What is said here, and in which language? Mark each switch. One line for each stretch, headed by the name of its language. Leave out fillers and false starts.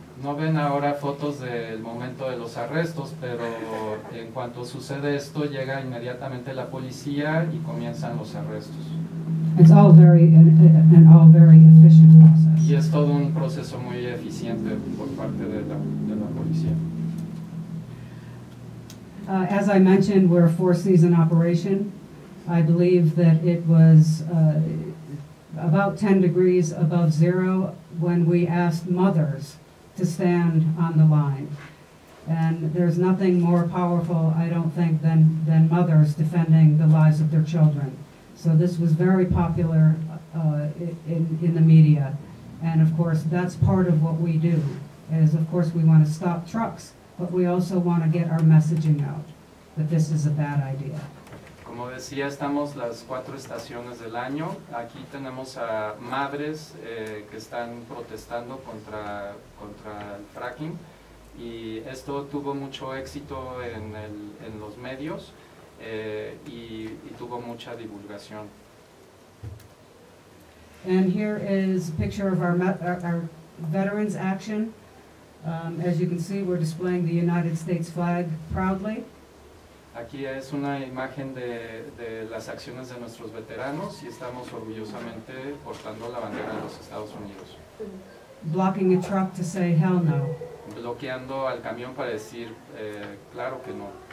Spanish: No ven ahora fotos del momento de los arrestos, pero en cuanto sucede esto, llega inmediatamente la policía y comienzan los arrestos.
English: It's all very an all very efficient process.
Spanish: Y es todo un proceso muy eficiente por parte de la policía.
English: As I mentioned, we're a four-season operation. I believe that it was about 10 degrees above zero when we asked mothers to stand on the line. And there's nothing more powerful, I don't think, than mothers defending the lives of their children. So this was very popular in the media. And of course, that's part of what we do, is of course we want to stop trucks, but we also want to get our messaging out, that this is a bad idea.
Spanish: Como decía, estamos las cuatro estaciones del año. Aquí tenemos a madres que están protestando contra el fracking. Y esto tuvo mucho éxito en los medios y tuvo mucha divulgación.
English: And here is a picture of our veterans action. As you can see, we're displaying the United States flag proudly.
Spanish: Aquí es una imagen de las acciones de nuestros veteranos y estamos orgullosamente portando la bandera de los Estados Unidos.
English: Blocking a truck to say hell no.
Spanish: Bloqueando al camión para decir claro que no.